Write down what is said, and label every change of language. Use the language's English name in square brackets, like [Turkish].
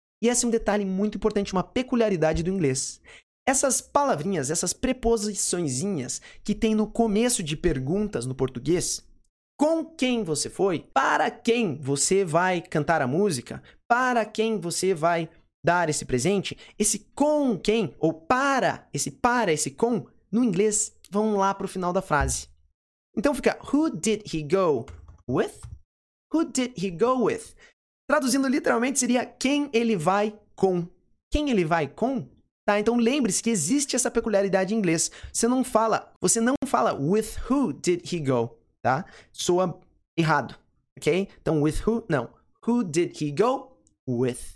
[Portuguese] E esse é um detalhe muito importante, uma peculiaridade do inglês. Essas palavrinhas, essas preposiçõezinhas que tem no começo de perguntas no português. Com quem você foi? Para quem você vai cantar a música? Para quem você vai... dar esse presente, esse com quem, ou para, esse com, no inglês, vão lá pro final da frase. [English] Então fica, who did he go with? Who did he go with? [Portuguese] Traduzindo literalmente seria, quem ele vai com? Quem ele vai com? Tá, então lembre-se que existe essa peculiaridade em inglês. Você não fala, [English] with who did he go, [Portuguese] tá? Soa errado, ok? Então, [English] with who, [Portuguese] não. [English] Who did he go with?